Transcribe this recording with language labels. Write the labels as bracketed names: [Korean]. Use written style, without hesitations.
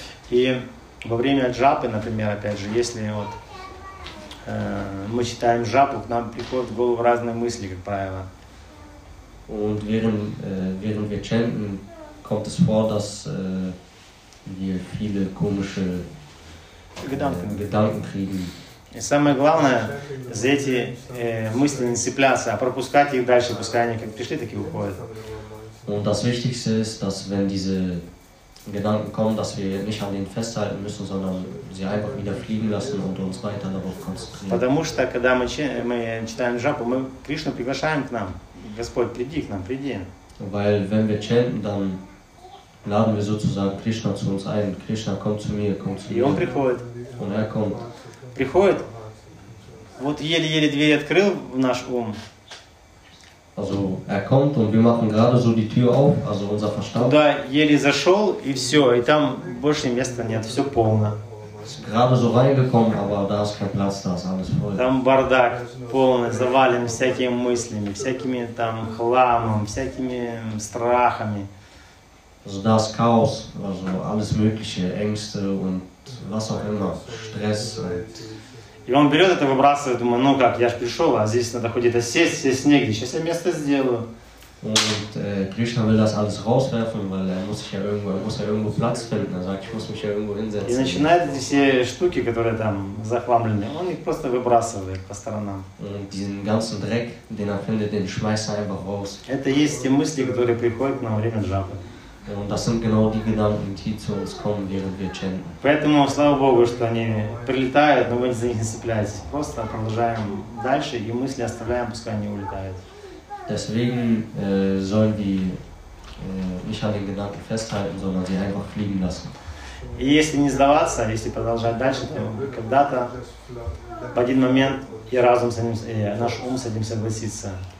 [Russian] И во время джапы, например, опять же, если вот мы читаем джапу, к нам приходят в голову разные мысли, как правило. [German] Und während wir chanten, kommt es vor, dass wir viele komische Gedanken kriegen. [Russian] И самое главное, за эти мысли не цепляться, а пропускать их дальше, пускай они как пришли, так и уходят. [German] Und das Wichtigste ist, dass wenn diese Gedanken kommen, dass wir nicht an denen festhalten müssen, sondern sie einfach wieder fliegen lassen und uns weiter darauf konzentrieren. [Russian] Потому что, когда мы читаем джапу, мы Кришну приглашаем к нам. Господь, приди к нам, приди. [German] Weil wenn wir chanten, dann laden wir sozusagen Krishna zu uns ein. Krishna, komm zu mir, komm zu mir. Und er kommt. [Russian] Приходит. Вот еле-еле дверь открыл в наш ум. [German] Also er kommt und wir machen gerade so die Tür auf, also unser Verstand. [Russian] Туда еле зашел и все, и там больше места нет, все полно. [German] Gerade so reingekommen, aber da ist kein Platz, da ist alles voll. [Russian] Там бардак полный, завален всякими мыслями, всякими там хламом, всякими страхами. [German] Also da ist Chaos, also alles mögliche, Ängste und was auch immer, Stress. [Russian] И он берет это, выбрасывает, думаю, ну как, я ж пришел, а здесь надо хоть это сесть, сесть негде, сейчас я место сделаю. [German] Und Krishna will das alles rauswerfen, weil er muss ja irgendwo Platz finden, er sagt, ich muss mich ja irgendwo hinsetzen. [Russian] И начинает эти все штуки, которые там захламлены, он их просто выбрасывает по сторонам. [German] Und diesen ganzen Dreck, den er findet, den schmeißt er einfach raus. [Russian] Это есть те мысли, которые приходят на время джапы. [German] Und das sind genau die Gedanken, die zu uns kommen, während wir chanten. [Russian] Поэтому, слава Богу, что они прилетают, но мы за них не цепляемся. Просто продолжаем дальше и мысли оставляем, пускай они улетают. [German] Deswegen sollen die nicht an den Gedanken festhalten, sondern sie einfach fliegen lassen. [Russian] И если не сдаваться, если продолжать дальше, то когда-то в один момент и разум с ним, и наш ум с этим согласится.